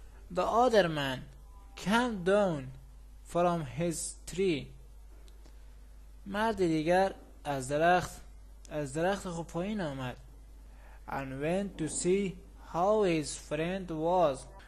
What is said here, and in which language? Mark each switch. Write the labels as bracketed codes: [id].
[en] The other man came down from his tree. [fa] مرد دیگر از درخت خود پایین آمد. [en] And went to see how his friend was.